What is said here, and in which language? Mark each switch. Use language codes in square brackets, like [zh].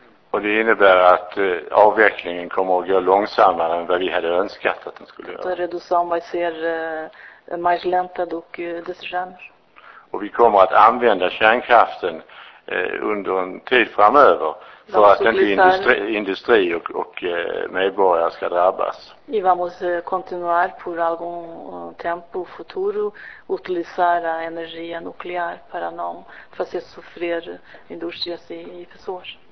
[sv] Och det innebär att avvecklingen kommer att gå långsammare än vad vi hade önskat att den skulle göra. [pt] Så redução vai ser mais lenta do que desejamos. [sv] Och vi kommer att använda kärnkraften under en tid framöver. För att inte industri och medborgare ska drabbas. [pt] E vamos continuar por algum tempo futuro utilizar a energia nuclear para não fazer sofrer indústrias e pessoas.